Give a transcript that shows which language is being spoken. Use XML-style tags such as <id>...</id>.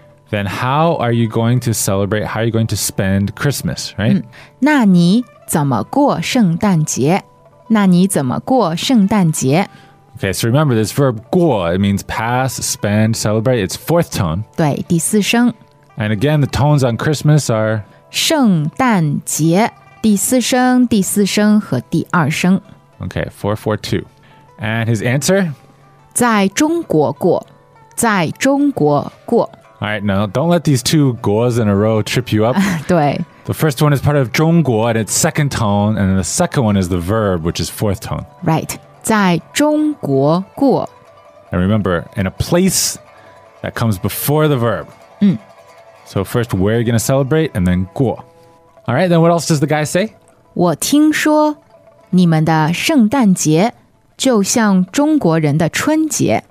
<en>Then how are you going to celebrate, how are you going to spend Christmas, right?</en> <zh>那你怎么过圣诞节?那你怎么过圣诞节?</zh> <en>Okay, so remember this verb 过, it means pass, spend, celebrate, it's fourth tone.</en> <zh>对,第四声。</zh> <en>And again, the tones on Christmas are</en> <zh>圣诞节,第四声,第四声和第二声。</zh> <en>Okay, 4-4-2. And his answer?</en> <zh>在中国过,在中国过。</zh> <en>All right, now don't let these two guos in a row trip you up.</en> <zh>对。</zh> <en>The first one is part of 中国 and it's second tone, and the second one is the verb, which is fourth tone. Right,</en> <zh>在中国过。</zh> <en>And remember, in a place that comes before the verb. So first, where are you going to celebrate, and then 过。 All right, then what else does the guy say?</en> <zh>我听说你们的圣诞节就像中国人的春节。</zh>